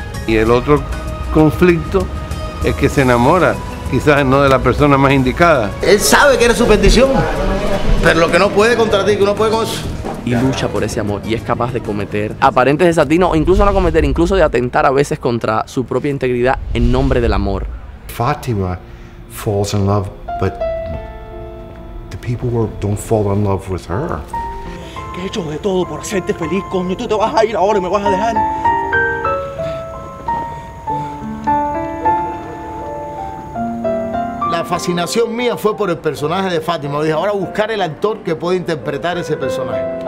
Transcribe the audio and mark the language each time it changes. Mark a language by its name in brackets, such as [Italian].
[Spanish] Y el otro conflicto es que se enamora. Quizás no de la persona más indicada. Él sabe que era su bendición, pero lo que no puede contra ti, que no puede con eso. Y lucha por ese amor y es capaz de cometer aparentes desatinos o incluso no cometer, incluso de atentar a veces contra su propia integridad en nombre del amor. [English] Fátima falls in love, but the people don't fall in love with her. [Spanish] Que he hecho de todo por hacerte feliz, coño. Tú te vas a ir ahora y me vas a dejar. La fascinación mía fue por el personaje de Fátima. Dije, ahora buscar el actor que pueda interpretar ese personaje.